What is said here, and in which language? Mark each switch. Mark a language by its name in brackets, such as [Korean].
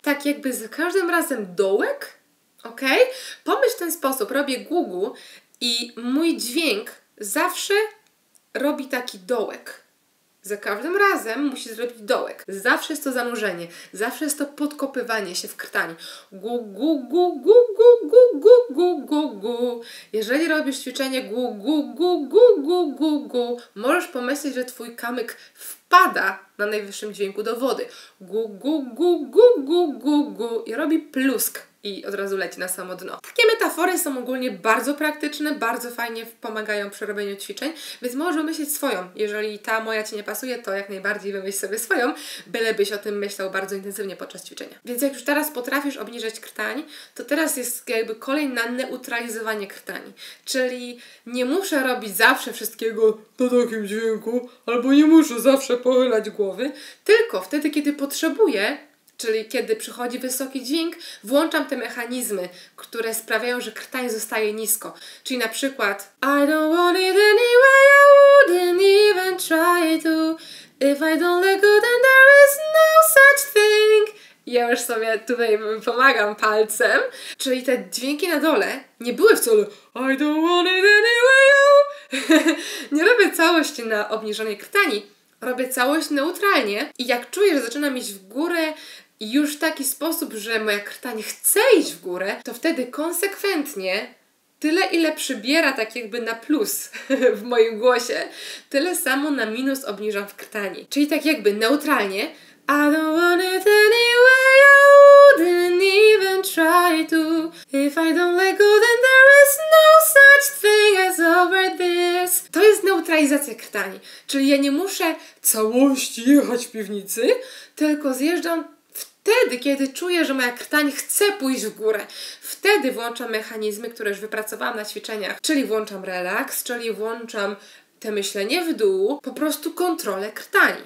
[Polish] Tak jakby za każdym razem dołek, ok? Pomyśl w ten sposób, robię gugu i mój dźwięk zawsze robi taki dołek. Za każdym razem musi zrobić dołek. Zawsze jest to zanurzenie, zawsze jest to podkopywanie się w krtań. Gu, gu, gu, gu, gu, gu, gu, gu, gu, gu. Jeżeli robisz ćwiczenie gu, gu, gu, gu, gu, gu, gu, możesz pomyśleć, że twój kamyk wpada na najwyższym dźwięku do wody. Gu, gu, gu, gu, gu, gu, gu. I robi plusk i od razu leci na samo dno. Takie metafory są ogólnie bardzo praktyczne, bardzo fajnie pomagają przy robieniu ćwiczeń, więc możesz myśleć swoją. Jeżeli ta moja Ci nie pasuje, to jak najbardziej wymyśl sobie swoją, bylebyś o tym myślał bardzo intensywnie podczas ćwiczenia. Więc jak już teraz potrafisz obniżać krtań, to teraz jest jakby kolej na neutralizowanie krtań. Czyli nie muszę robić zawsze wszystkiego na takim dźwięku, albo nie muszę zawsze pochylać głowy, tylko wtedy, kiedy potrzebuję, czyli kiedy przychodzi wysoki dźwięk, włączam te mechanizmy, które sprawiają, że krtań zostaje nisko. Czyli na przykład [English] I don't want it anyway, I wouldn't even try to. If I don't let go, then there is no such thing. [Polish] Ja już sobie tutaj pomagam palcem. Czyli te dźwięki na dole nie były wcale [English] I don't want it anyway, [Polish] nie robię całości na obniżonej krtani. Robię całość neutralnie i jak czuję, że zaczynam iść w górę już w taki sposób, że moja krtań chce iść w górę, to wtedy konsekwentnie tyle, ile przybiera tak jakby na plus w moim głosie, tyle samo na minus obniżam w krtani. Czyli tak jakby neutralnie [English] I don't want it anyway, I wouldn't even try to. If I don't let go, then there is no such thing as over this. [Polish] To jest neutralizacja krtani. Czyli ja nie muszę całości jechać w piwnicy, tylko zjeżdżam wtedy, kiedy czuję, że moja krtań chce pójść w górę. Wtedy włączam mechanizmy, które już wypracowałam na ćwiczeniach. Czyli włączam relaks, czyli włączam te myślenie w dół, po prostu kontrolę krtań.